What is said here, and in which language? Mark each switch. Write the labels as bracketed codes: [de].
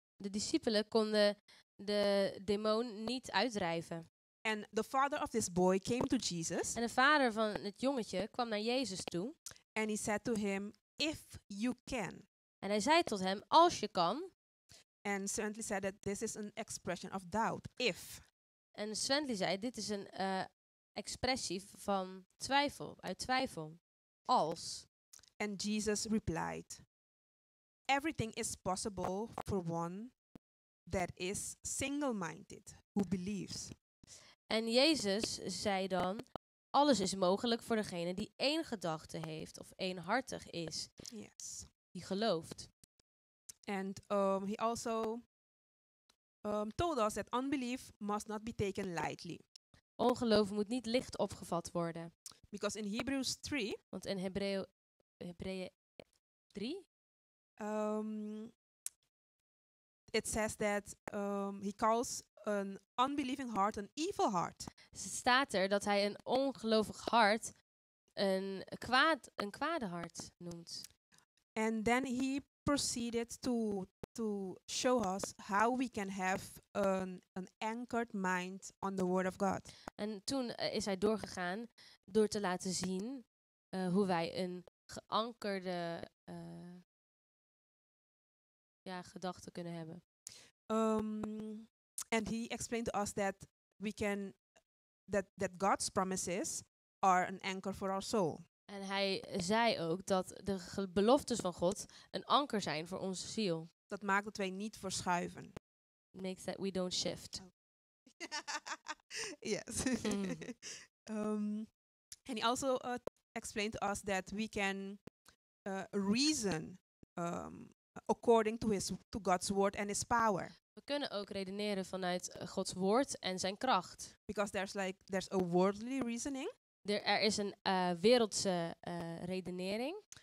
[nl] De discipelen konden de demon niet uitdrijven. [en] And the father of this boy came to Jesus. [nl] En de vader van het jongetje kwam naar Jezus toe. [en] And he said to him, if you can. [nl] En hij zei tot hem, als je kan. [en] And Swenley said that this is an expression of doubt, if. [nl] En Swenley zei, dit is een expressie van twijfel, uit twijfel, als. [en] And Jesus replied, everything is possible for one that is single-minded, who believes. [nl] En Jezus zei dan, alles is mogelijk voor degene die één gedachte heeft of éénhartig is. [en] Yes. [nl] Die gelooft. [en] And he also told us that unbelief must not be taken lightly. [nl] Ongeloof moet niet licht opgevat worden. [en] Because in Hebrews 3. [nl] Want in Hebreeën 3. [en] It says that he calls an unbelieving heart an evil heart. [nl] Het staat er dat hij een ongelovig hart een kwade hart noemt. [en] And then he proceeded to show us how we can have an anchored mind on the Word of God. [nl] En toen is hij doorgegaan door te laten zien hoe wij een geankerde gedachte kunnen hebben. [en] And he explained to us that we can that God's promises are an anchor for our soul. [nl] En hij zei ook dat de beloftes van God een anker zijn voor onze ziel. Dat maakt dat wij niet verschuiven. [en] Makes that we don't shift. Oh. Yes. Mm. And he also explained to us that we can reason according to God's word and his power. [nl] We kunnen ook redeneren vanuit Gods woord en zijn kracht. [en] Because there's a worldly reasoning. [nl] Er is een wereldse redenering.